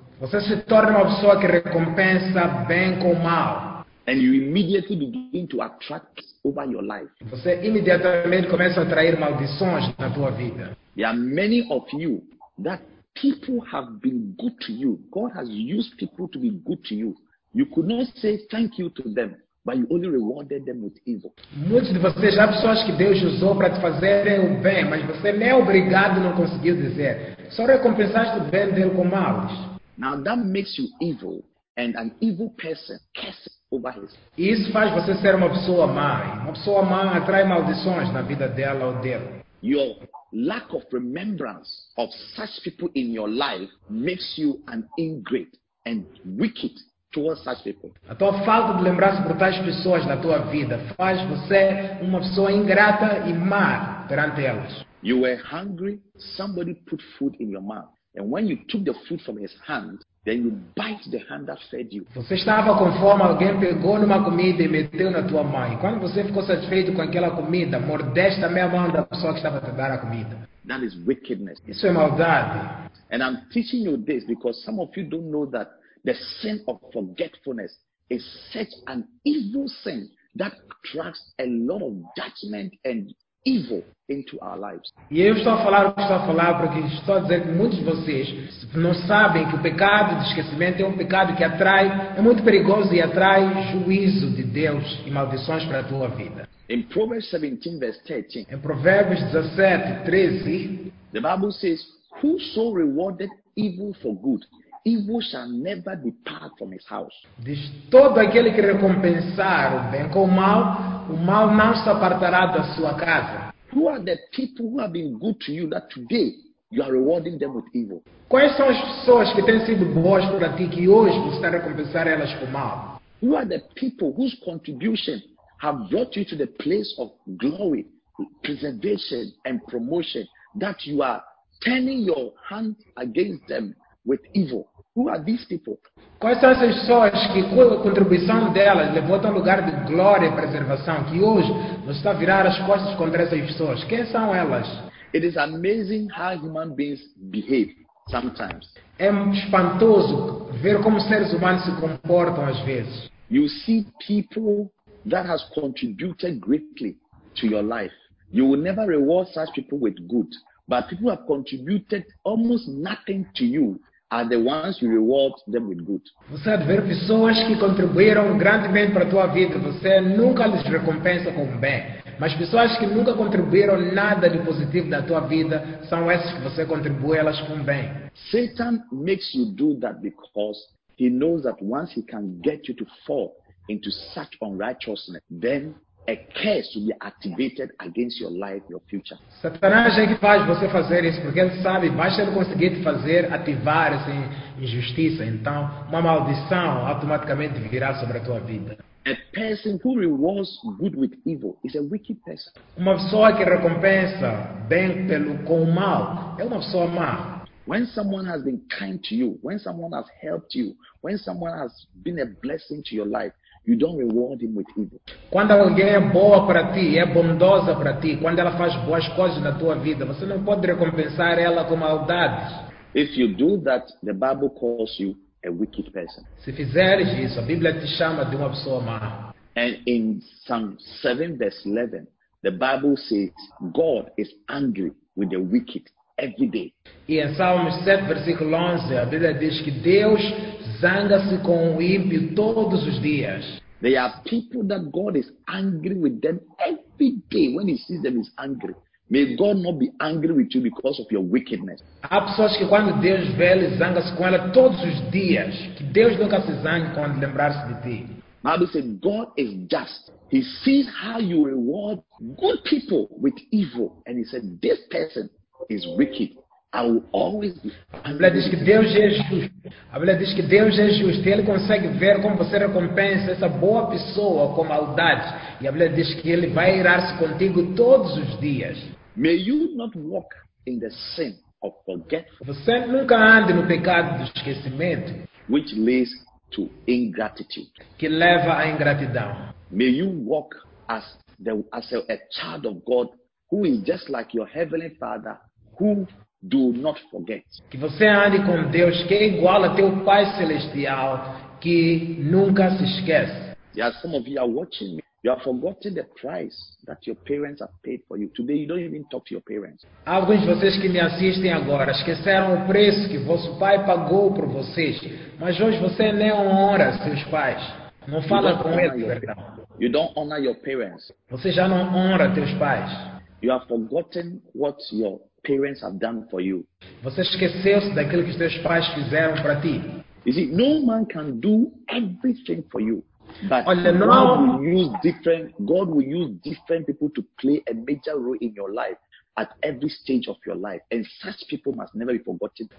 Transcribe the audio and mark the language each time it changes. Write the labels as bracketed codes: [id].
[pt] Você se torna uma pessoa que recompensa bem com mal. [en] And you immediately begin to attract over your life. [pt] Você imediatamente começa a atrair maldições na tua vida. [en] There are many of you that people have been good to you. God has used people to be good to you. You could not say thank you to them, but you only rewarded them with evil. [pt] Muitos de vocês já pessoas que Deus usou para te fazer o bem, mas você nem obrigado não conseguiu dizer. Só recompensaste o bem dele com mal. [en] Now that makes you evil, and an evil person curses over his life. [pt] Isso faz você ser uma pessoa má. Uma pessoa má atrai maldições na vida dela ou dele. [en] Your lack of remembrance of such people in your life makes you an ingrate and wicked towards such people. [pt] A tua falta de lembrança por tais pessoas na tua vida faz você uma pessoa ingrata e má perante elas. [en] You were hungry, somebody put food in your mouth. And when you took the food from his hand, then you bite the hand that fed you. [pt] Você estava com fome, alguém pegou numa comida e meteu na tua mão. E quando você ficou satisfeito com aquela comida, mordeste a meia mão da pessoa que estava a te dar a comida. [en] That is wickedness. [pt] Isso é maldade. [en] And I'm teaching you this because some of you don't know that the sin of forgetfulness is such an evil sin that attracts a lot of judgment and evil into our lives. [pt] E eu estou a falar o que estou a falar porque estou a dizer que muitos de vocês não sabem que o pecado de esquecimento é um pecado que atrai, é muito perigoso e atrai juízo de Deus e maldições para a tua vida. [en] In Proverbs 17, verse 13, [pt] em Provérbios 17, 13, [en] the Bible says, whoso rewarded evil for good, evil shall never depart from his house. [pt] Diz, todo aquele que recompensar o bem com o mal não se apartará da sua casa. [en] Who are the people who have been good to you that today you are rewarding them with evil? [pt] Quais são as pessoas que têm sido boas para ti que hoje você está a recompensar elas com mal? [en] Who are the people whose contribution have brought you to the place of glory, preservation and promotion that you are turning your hand against them with evil? Who are these people? [pt] Quais são essas pessoas que a contribuição delas levou a um lugar de glória e preservação que hoje você está a virar as costas contra essas pessoas? Quem são elas? [en] It is amazing how human beings behave sometimes. [pt] É espantoso ver como seres humanos se comportam às vezes. [en] You see people that has contributed greatly to your life. You will never reward such people with good. But people who have contributed almost nothing to you are the ones you reward them with good. [pt] Você deve ver pessoas que contribuíram grandemente para a tua vida, você nunca lhes recompensa com bem. Mas pessoas que nunca contribuíram nada de positivo da tua vida são essas que você contribui elas com bem. [en] Satan makes you do that because he knows that once he can get you to fall into such unrighteousness, then a curse will be activated against your life, your future. [pt] Satanás é que faz você fazer isso porque ele sabe, basta ele conseguir te fazer ativar essa injustiça, então uma maldição automaticamente virá sobre a tua vida. [en] A person who rewards good with evil is a wicked person. [pt] Uma pessoa que recompensa bem pelo com o mal é uma pessoa má. [en] When someone has been kind to you, when someone has helped you, when someone has been a blessing to your life, you don't reward him with evil. [pt] Quando alguém é boa para ti, é bondosa para ti, quando ela faz boas coisas na tua vida, você não pode recompensar ela com maldade. [en] If you do that, the Bible calls you a wicked person. [pt] Se fizeres isso, a Bíblia te chama de uma pessoa má. [en] And in Psalm 7, verse 11, the Bible says, God is angry with the wicked every day. [pt] E em Salmos 7, versículo 11, a Bíblia diz que Deus zanga-se com o ímpio todos os dias. [en] They are people that God is angry with them every day when he sees them is angry. May God not be angry with you because of your wickedness. [pt] Há pessoas que quando Deus vê, ele zanga-se com ela todos os dias. Que Deus nunca se zangue quando lembrar-se de ti. [en] Bible says God is just. He sees how you reward good people with evil. And he said, this person is wicked. I will always be angry. [pt] A Bíblia diz que Deus é justo. A Bíblia diz que Deus é justo. Ele consegue ver como você recompensa essa boa pessoa com maldade. E a Bíblia diz que ele vai irar-se contigo todos os dias. [en] May you not walk in the sin of forgetfulness. [pt] Você nunca ande no pecado do esquecimento. [en] Which leads to ingratitude. [pt] Que leva à ingratidão. [en] May you walk as a child of God who is just like your heavenly Father who do not forget. [pt] Que você ande com Deus que é igual a teu Pai Celestial que nunca se esquece. [en] Yeah, some of you are watching me. You have forgotten the price that your parents have paid for you. Today you don't even talk to your parents. [pt] Alguns de vocês que me assistem agora esqueceram o preço que vosso pai pagou por vocês. Mas hoje você nem honra seus pais. Não fala com eles, perdão. [en] You don't honor your parents. [pt] Você já não honra teus pais. [en] You have forgotten what your parents have done for you. [pt] Você esqueceu-se daquilo que os teus pais fizeram para ti. [en] You see, no man can do everything for you. But [pt] olha, [en] God, [pt] não... [en] will use different, God will use different people to play a major role in your life. at every stage of your life, and such people must never be forgotten.